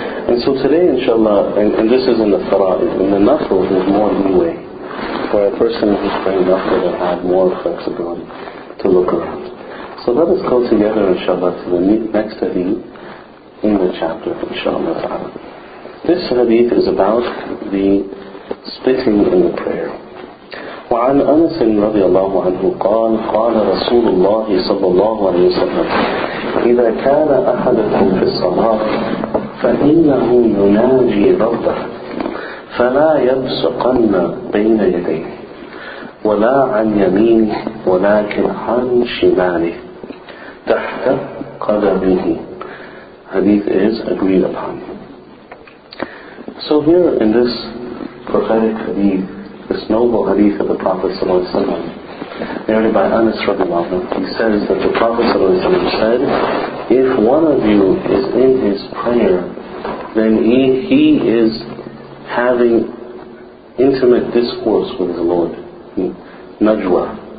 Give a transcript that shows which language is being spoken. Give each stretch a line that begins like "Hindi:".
English: And so today, inshallah, and this is in the fara'id, in the nafl, there's more leeway for a person who's praying nafl to have more flexibility to look around. So let us go together, inshallah, to the next hadith in the chapter, inshallah ta'ala. This hadith is about the splitting in the prayer.
Arabic: وعن أنس رضي الله عنه قال قال رسول الله صلى الله عليه وسلم إذا كان أحدكم في الصلاة فإنه يناجي ربه فلا يبصقن بين يديه ولا عن يمينه ولكن عن شماله تحت قدمه.
English: Hadith is agreed upon. So here in this prophetic hadith, this noble hadith of the Prophet ﷺ, narrated by Anas radiallahu anhu, he says that the Prophet ﷺ said, if one of you is in his prayer, then he is having intimate discourse with his Lord, najwa.